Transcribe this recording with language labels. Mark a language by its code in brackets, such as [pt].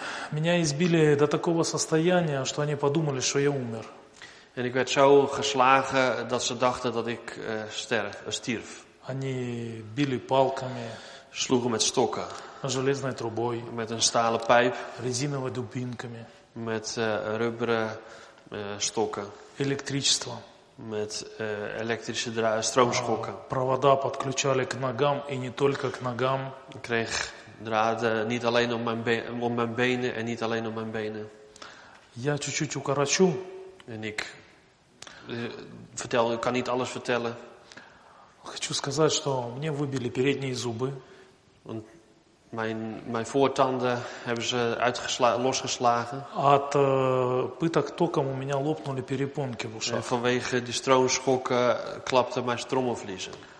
[ru] Меня избили до такого состояния, что они подумали, что я умер. [nl] En ik werd zo geslagen dat ze dachten dat ik stierf. [ru] Они били палками. [nl] Sloegen met stokken. [ru] Железной трубой. [nl] Met een stalen pijp. [ru] Резиновыми дубинками. [nl] Met rubberen stokken. [ru] Электричество. [nl] Met elektrische stroomschokken. [ru] Провода подключали к ногам и не только к ногам. [nl] Ik kreeg draden niet alleen om mijn benen en niet alleen om mijn benen. [ru] Я чуть-чуть укорочу. [nl] En ik kan niet alles vertellen. [ru] Хочу сказать, что мне выбили передние зубы. [nl] Want mijn voortanden hebben ze losgeslagen. [ru] От пыток током у меня лопнули перепонки в ушах. [nl] Vanwege die stroomschokken klapte mijn trommelvliezen.